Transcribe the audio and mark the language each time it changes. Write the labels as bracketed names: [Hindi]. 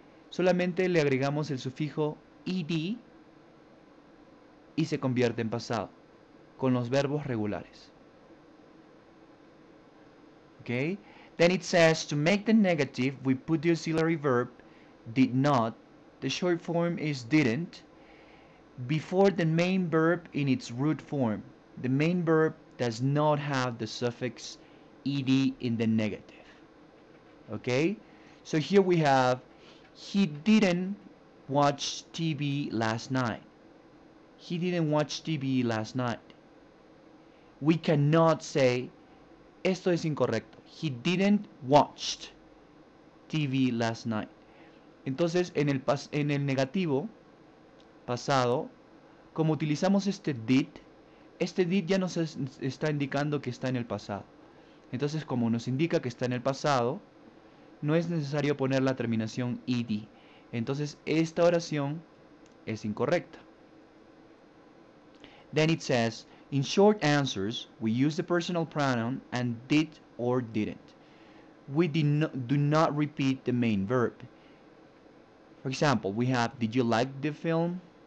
[Spanish] Solamente le agregamos el sufijo ed y se convierte en pasado con los verbos regulares. [English] Okay? Then it says to make the negative, we put the auxiliary verb did not. The short form is didn't before the main verb in its root form. The main verb does not have the suffix ed in the negative. Okay, so here we have, he didn't watch TV last night. He didn't watch TV last night. We cannot say, [Spanish] esto es incorrecto. [English] He didn't watch TV last night. [Spanish] Entonces, en el negativo, pasado, como utilizamos este did ya nos está indicando que está en el pasado. Entonces, como nos indica que está en el pasado, no es necesario poner la terminación ed. Entonces, esta oración es incorrecta. [English] Then it says, in short answers, we use the personal pronoun and did or didn't. We do not repeat the main verb. For example, we have, did you like the film?